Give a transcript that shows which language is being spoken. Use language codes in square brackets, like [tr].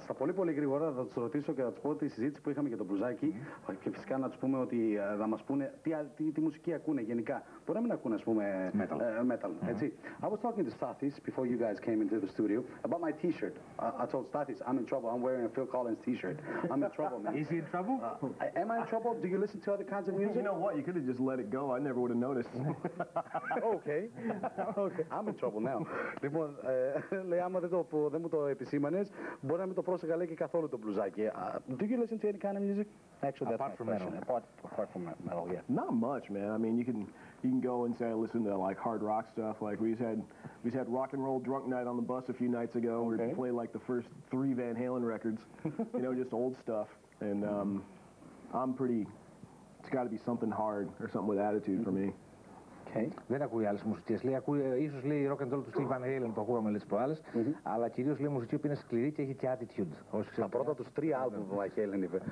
[el] Στα πολύ πολύ γρήγορα θα του ρωτήσω και θα του πω τη συζήτηση που είχαμε για τον Μπλουζάκι και φυσικά να του πούμε ότι θα μα πούνε τι μουσική ακούνε γενικά. Μπορεί να μην ακούνε, ας πούμε, [en] metal. [el] Metal, έτσι. [en] I was talking to Stathis before you guys came into the studio about my t-shirt. I told Stathis, I'm in trouble. I'm wearing a Phil Collins t-shirt. I'm in trouble, man. Is he in trouble? Am I in trouble? Do you listen to other kinds of music? You know what? You could have just let it go. I never would have noticed. Okay. Okay. I'm in trouble now. [el] Λοιπόν, λέει, άμα δεν μου το επισήμανες, μπορεί να μην το πρόσεχα, λέει, και καθόλου το μπλουζάκι. [en] Do you listen to any kind of music? Actually, apart from metal. Apart from metal, yeah. Not much, man. I mean, you can go and say I listen to like hard rock stuff. Like we just had rock and roll drunk night on the bus a few nights ago. Okay. Where we played like the first three Van Halen records, you know, just old stuff. And I'm pretty. It's got to be something hard or something with attitude for me. [el] Δεν ακούει άλλες μουσικές. Ίσως λέει rock and roll του Steve Van Halen, το ακούγαμε λίγο προάλλες. Αλλά κυρίως λέει μουσική που είναι σκληρή και έχει και attitude. Τα πρώτα τους τρία άλμπουμ που Van Halen είπε.